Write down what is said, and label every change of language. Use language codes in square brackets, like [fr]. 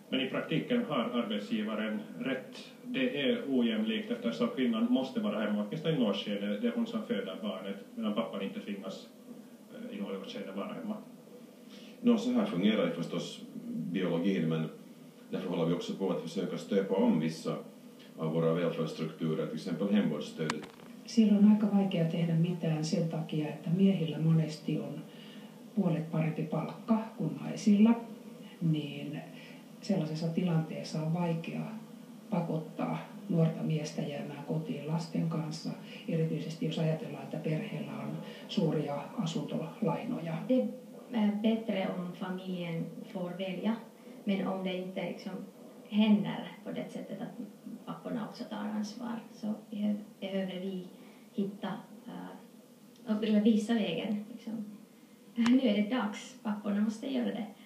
[sv] Men i praktiken har arbetsgivaren rätt. Det är ojämlikt eftersom kvinnan måste vara hemma åtminstone i norrskede. Det är hon som föder barnet medan pappan inte tvingas i norrskede vara hemma. Nå, så här fungerar det förstås biologin, men därför håller vi också på att försöka stöpa om vissa av våra välfärdsstrukturer, till exempel hemvårdsstödet. [fi] Siellä on aika vaikea tehdä mitään sen takia, että miehillä monesti on puolet parempi palkka kuin naisilla, niin sellaisessa tilanteessa on vaikea pakottaa nuorta miestä jäämään kotiin lasten kanssa, erityisesti jos ajatellaan, että perheellä on suuria asuntolainoja. [sv] Bättre om familjen får välja, men om det inte liksom händer på det sättet att papporna också tar ansvar, så behöver vi hitta och visa vägen. Liksom. Nu är det dags, papporna måste göra det.